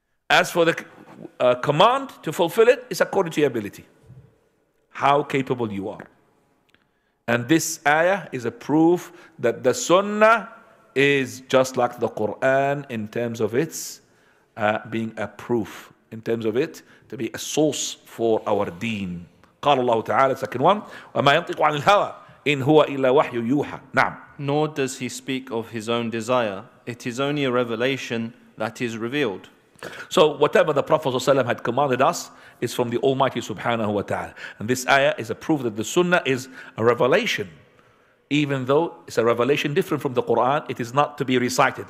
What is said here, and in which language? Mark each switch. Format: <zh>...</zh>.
<en>As for the command to fulfill it, it's according to your ability, how capable you are. And this ayah is a proof that the sunnah is just like the Quran in terms of its being a proof, in terms of it to be a source for our deen.</en> <ar>قال الله تعالى,</ar> <en>second one,</en> <ar>وَمَا يَنْطِقُ عَنِ الْهَوَىٰ إِنْ هُوَ إِلَّا وَحْيُ يُوحَىٰ. نعم.</ar> <en>Nor does he speak of his own desire. It is only a revelation that is revealed. So whatever the Prophet ﷺ had commanded us is from the Almighty subhanahu wa ta'ala. And this ayah is a proof that the sunnah is a revelation. Even though it's a revelation different from the Quran, it is not to be recited.</en>